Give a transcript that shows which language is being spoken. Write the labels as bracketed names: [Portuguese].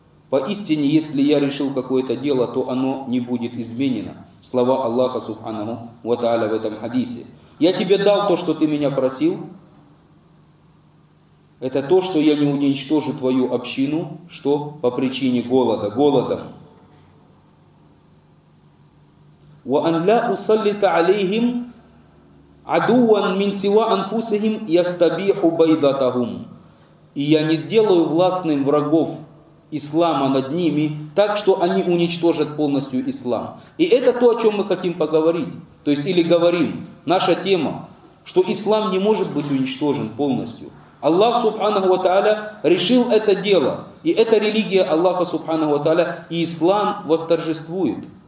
[Russian] Поистине, если я решил какое-то дело, то оно не будет изменено. Слова Аллаха, субханаху ва тааля, в этом хадисе. Я тебе дал то, что ты меня просил. Это то, что я не уничтожу твою общину, что по причине голода, голодом. [Arabic] وأن لا أسلط عليهم عدوا من سوى أنفسهم يستبيح بيضتهم. [Russian] И я не сделаю властным врагов ислама над ними так, что они уничтожат полностью ислам. И это то, о чем мы хотим поговорить. То есть, или говорим, наша тема, что ислам не может быть уничтожен полностью. Аллах Субханаху ва Тааля решил это дело. И это религия Аллаха Субханаху ва Тааля, и ислам восторжествует.